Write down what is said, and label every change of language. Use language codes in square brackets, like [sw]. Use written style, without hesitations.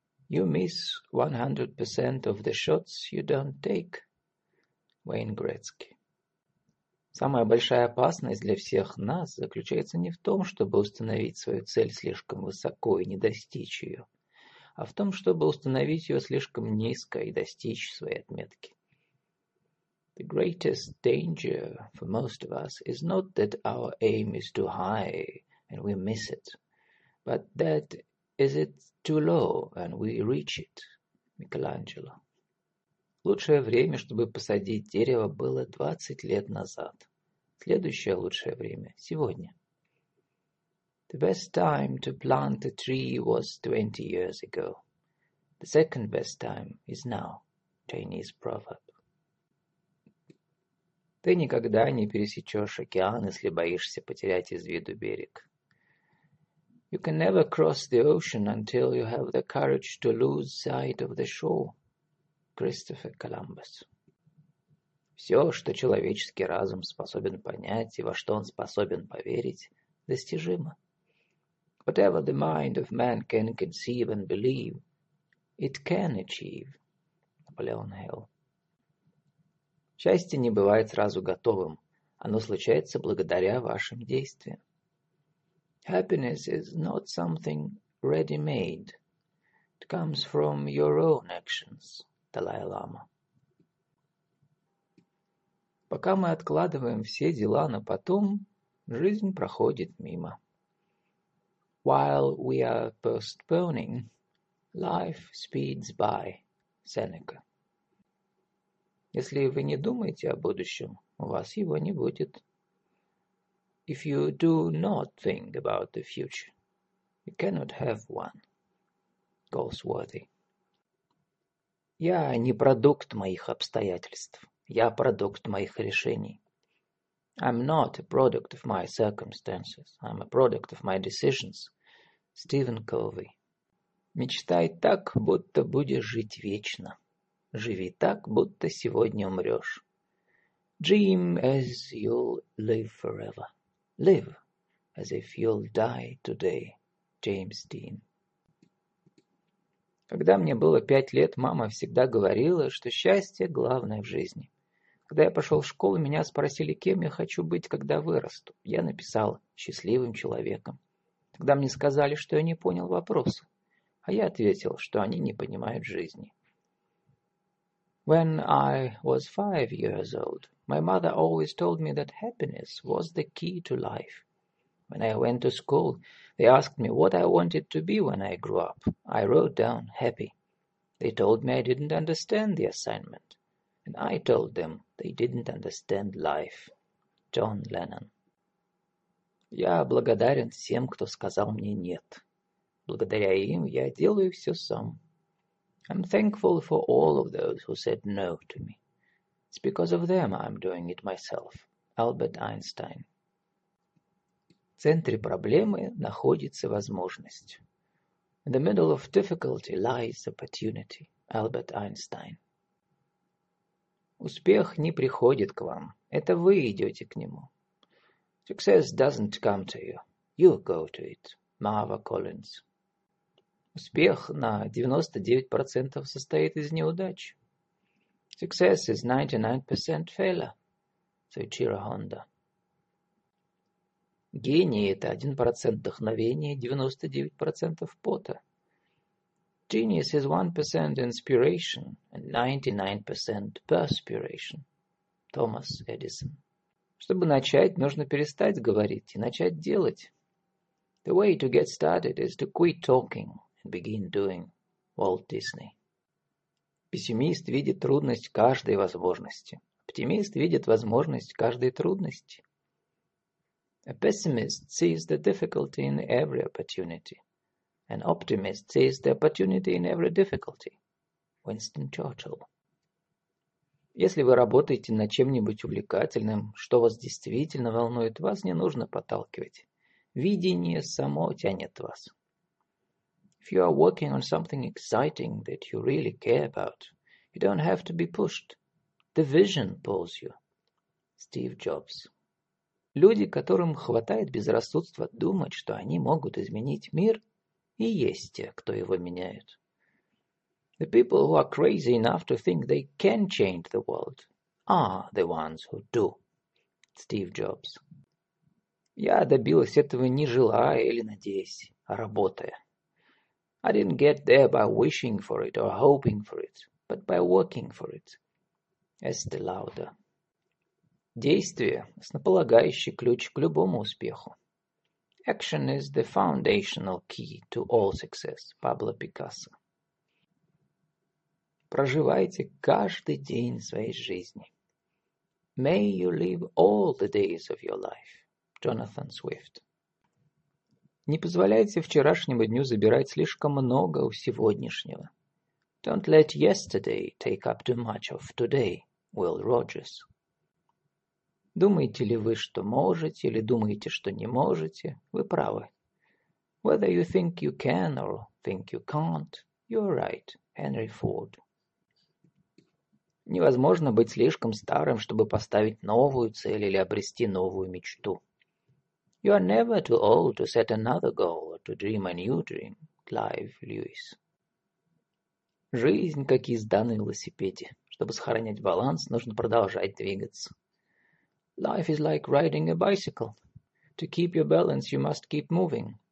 [en] You miss 100% of the shots you don't take. [ru] Уэйн Грецки. Самая большая опасность для всех нас заключается не в том, чтобы установить свою цель слишком высоко и не достичь ее, а в том, чтобы установить ее слишком низко и достичь своей отметки. [en] The greatest danger for most of us is not that our aim is too high and we miss it, but that is it too low and we reach it. [ru] Микеланджело. Лучшее время, чтобы посадить дерево, было 20 лет назад. Следующее лучшее время – сегодня. [en] The best time to plant a tree was 20 years ago. The second best time is now. Chinese proverb. [ru] Ты никогда не пересечешь океан, если боишься потерять из виду берег. [en] You can never cross the ocean until you have the courage to lose sight of the shore. [ru] Кристофер Коламбус. Все, что человеческий разум способен понять и во что он способен поверить, достижимо. [en] Whatever the mind of man can conceive and believe, it can achieve. [ru] Наполеон Хилл. Счастье не бывает сразу готовым. Оно случается благодаря вашим действиям. [en] Happiness is not something ready-made. It comes from your own actions. [ru] Далай-лама. Пока мы откладываем все дела на потом, жизнь проходит мимо. [en] While we are postponing, life speeds by. [ru] Сенека. Если вы не думаете о будущем, у вас его не будет. [en] If you do not think about the future, you cannot have one. Goldsworthy. [ru] Я не продукт моих обстоятельств. Я продукт моих решений. [en] I'm not a product of my circumstances. I'm a product of my decisions. [ru] Стивен Ковей. Мечтай так, будто будешь жить вечно. Живи так, будто сегодня умрешь. [en] Dream as you'll live forever. Live as if you'll die today. [ru] Джеймс Дин. Когда мне было 5 лет, мама всегда говорила, что счастье главное в жизни. Когда я пошел в школу, меня спросили, кем я хочу быть, когда вырасту. Я написал «счастливым человеком». Тогда мне сказали, что я не понял вопроса. А я ответил, что они не понимают жизни. [en] When I was 5 years old, my mother always told me that happiness was the key to life. When I went to school, they asked me what I wanted to be when I grew up. I wrote down happy. They told me I didn't understand the assignment. And I told them they didn't understand life. John Lennon. [ru] Я благодарен всем, кто сказал мне нет. Благодаря им я делаю все сам. [en] I'm thankful for all of those who said no to me. It's because of them I'm doing it myself. Albert Einstein. [ru] В центре проблемы находится возможность. [en] In the middle of difficulty lies opportunity. Albert Einstein. [ru] Успех не приходит к вам. Это вы идете к нему. [en] Success doesn't come to you. You go to it. Marva Collins. [ru] Успех на 99% состоит из неудач. [en] Success is 99% failure. Soichiro Honda. [ru] Гений – это 1% вдохновения, 99% пота. [en] Genius is 1% inspiration and 99% perspiration. [ru] Томас Эдисон. Чтобы начать, нужно перестать говорить и начать делать. [en] The way to get started is to quit talking and begin doing. Walt Disney. [ru] Пессимист видит трудность каждой возможности. Оптимист видит возможность каждой трудности. [en] A pessimist sees the difficulty in every opportunity. An optimist sees the opportunity in every difficulty. Winston Churchill. [ru] Если вы работаете над чем-нибудь увлекательным, что вас действительно волнует, вас не нужно подталкивать. Видение само тянет вас. [en] If you are working on something exciting that you really care about, you don't have to be pushed. The vision pulls you. Steve Jobs. [ru] Люди, которым хватает безрассудства думать, что они могут изменить мир, и есть те, кто его меняет. [en] The people who are crazy enough to think they can change the world are the ones who do. Steve Jobs. [ru] Я добилась этого не желая или надеясь, а работая. [en] I didn't get there by wishing for it or hoping for it, but by working for it. Estee Lauder. [ru] Действие – основополагающий ключ к любому успеху. [en] Action is the foundational key to all success. [ru] Пабло Пикассо. Проживайте каждый день своей жизни. [en] May you live all the days of your life. [ru] Джонатан Свифт. Не позволяйте вчерашнему дню забирать слишком много у сегодняшнего. [en] Don't let yesterday take up too much of today. [ru] Уилл Роджерс. Думаете ли вы, что можете, или думаете, что не можете, вы правы. [en] Whether you think you can or think you can't, you're right. Henry Ford. [ru] Невозможно быть слишком старым, чтобы поставить новую цель или обрести новую мечту. [en] You are never too old to set another goal or to dream a new dream. Clive Lewis. [ru] Жизнь, как езда на велосипеде. Чтобы сохранять баланс, нужно продолжать двигаться. [en] Life is like riding a bicycle. To keep your balance, you must keep moving.